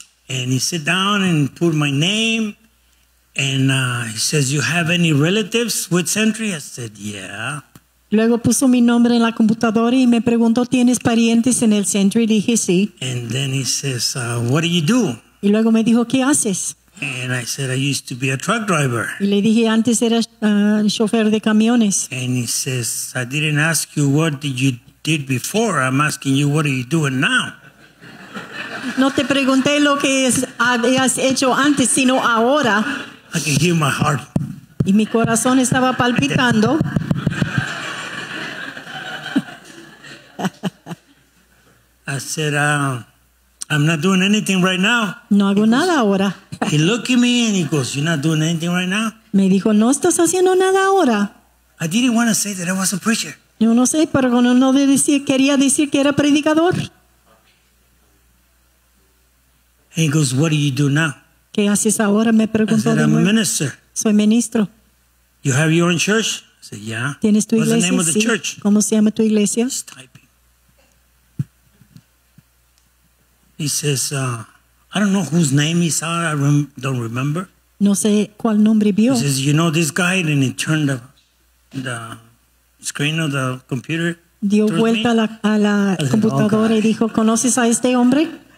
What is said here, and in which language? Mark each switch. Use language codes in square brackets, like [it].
[en] And he sat down and put my name. And he says, you have any relatives with Sentry? I said, yeah. [es] Luego puso mi nombre en la computadora y me preguntó, ¿tienes parientes en el Sentry? Dije, sí. [en] And then he says, what do you do? [es] Y luego me dijo, ¿qué haces? [en] And I said, I used to be a truck driver. [es] Y le dije, antes era chofer de camiones. [en] And he says, I didn't ask you what you did before. I'm asking you, what are you doing now? [es] No te pregunté lo que habías hecho antes, sino ahora. [en] I can hear my heart. [es] Y mi corazón estaba palpitando. [en] I said, I'm not doing anything right now. [es] No hago nada ahora. [en] He looked at me and he goes, you're not doing anything right now. [es] Me dijo, no estás haciendo nada ahora. [en] I didn't want to say that I was a preacher. [es] Yo no sé, pero no quería decir que era predicador. [en] And he goes, "What do you do now?" [es] ¿Qué haces ahora?, me preguntó. [en] I said, "I'm a minister." [es] Soy ministro. [en] "You have your own church?" I said, "Yeah." [es] ¿Tienes tu iglesia? [en] What's the name of the church? [es] ¿Cómo se llama tu iglesia? [en] He's typing. He says, "I don't know whose name he saw. I don't remember." [es] No sé cuál nombre vio. [en] He says, "You know this guy?" And he turned the screen of the computer. [es] Dio vuelta a la computadora, [en] said, oh, [es] y dijo, "¿Conoces a este hombre?"